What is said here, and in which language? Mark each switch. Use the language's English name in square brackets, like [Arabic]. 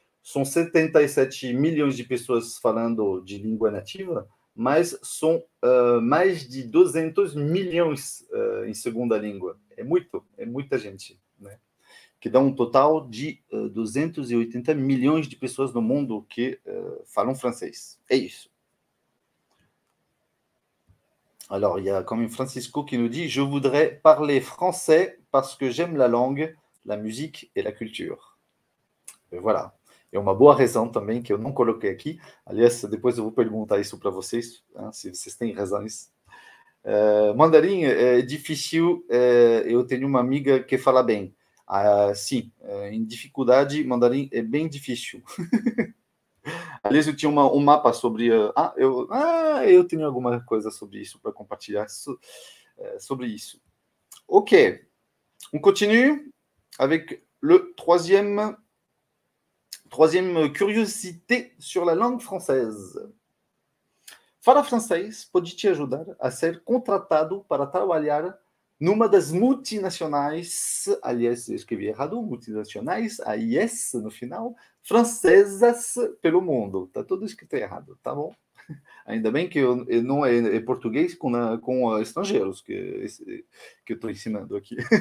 [Portuguese] São 77 milhões de pessoas falando de língua nativa, mas são mais de 200 milhões em segunda língua. É muita gente, né? Que dá um total de 280 milhões de pessoas no mundo que falam francês. É isso. [French] Alors, il y a comme Francisco qui nous dit: Je voudrais parler français parce que j'aime la langue, la musique et la culture. Et voilà. [Portuguese] É uma boa razão também que eu não coloquei aqui. Aliás, depois eu vou perguntar isso para vocês, hein, se vocês têm razões. Mandarim é difícil. Eu tenho uma amiga que fala bem. Sim, em dificuldade, mandarim é bem difícil. Aliás, eu tinha um mapa sobre. Eu tenho alguma coisa sobre isso para compartilhar sobre isso. [French] Ok, on continue avec le troisième. Troisième curiosité sur la langue française. [Portuguese] Falar francês pode te ajudar a ser contratado para trabalhar numa das multinacionais, aliás, eu escrevi errado, multinacionais, a IS no final, francesas pelo mundo. Tá tudo escrito errado, tá bom? Ainda bem que eu não é português com estrangeiros que eu estou ensinando aqui.